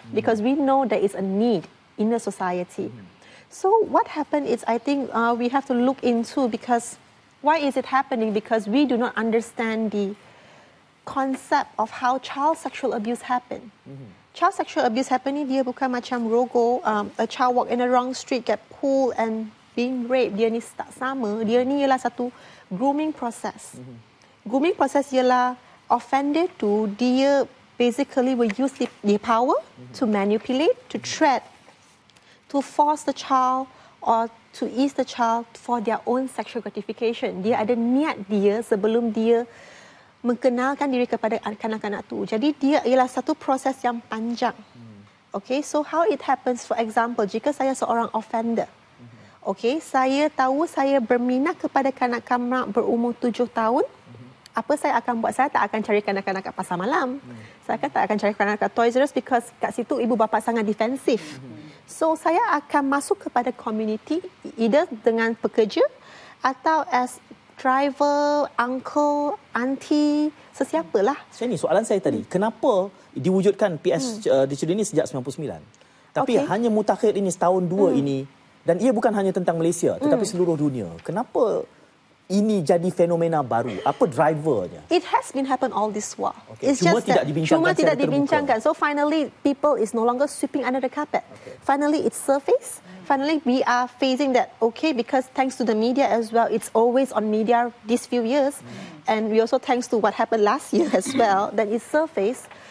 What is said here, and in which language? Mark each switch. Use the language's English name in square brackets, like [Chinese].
[English] Because we know there is a need in the society. So what happened is, I think we have to look into, because why is it happening? Because we do not understand the concept of how child sexual abuse happened. Child sexual abuse happening, [Malay] dia bukan macam rogol, [English] a child walk in the wrong street, get pulled and being raped. [Malay] Dia ni tak sama. Dia ni ialah satu grooming process. [English] Grooming process [Malay] ialah offender tu, dia [English] basically will use the power to manipulate, to threat, to force the child or to ease the child for their own sexual gratification. [Malay] Dia ada niat dia sebelum dia mengenalkan diri kepada kanak-kanak tu. Jadi dia ialah satu proses yang panjang. [English] Okay, so how it happens, for example, [Malay] jika saya seorang offender. Okay, saya tahu saya berminat kepada kanak-kanak berumur 7 tahun. Apa saya akan buat? Saya tak akan cari kanak-kanak kat pasar malam. Saya tak akan cari kanak-kanak Toys R Us, because kat situ ibu bapa sangat defensif. So saya akan masuk kepada community, either dengan pekerja atau as driver, uncle, auntie, sesiapalah. Saya ni soalan saya tadi, kenapa diwujudkan PS di Cina ini sejak 99? Tapi hanya mutakhir ini setahun dua ini, dan ia bukan hanya tentang Malaysia tetapi seluruh dunia. Kenapa ini jadi fenomena baru? Apa drivernya? [English] It has been happened all this while. [Malay] Okay. It's cuma just tidak dibincangkan. Cuma tidak dibincangkan. [English] So finally, people is no longer sweeping under the carpet. Okay. Finally, it's surface. Finally, we are facing that, okay, because thanks to the media as well, it's always on media these few years. And we also thanks to what happened last year as well, that it's surface.